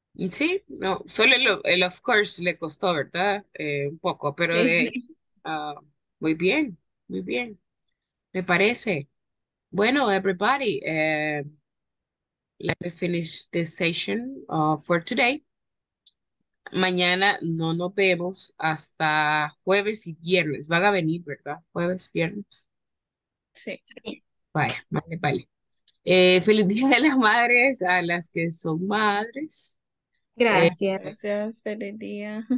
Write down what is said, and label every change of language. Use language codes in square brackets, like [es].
[es] Sí, no, solo el [en] of course [es] le costó, ¿verdad? Un poco, pero sí, muy bien, muy bien. Me parece. Bueno, [en] everybody, let me finish this session for today. [es] Mañana no nos vemos hasta jueves y viernes. Van a venir, ¿verdad? Jueves, viernes. Sí. Vaya, vale. Feliz día de las madres a las que son madres. Gracias, feliz día.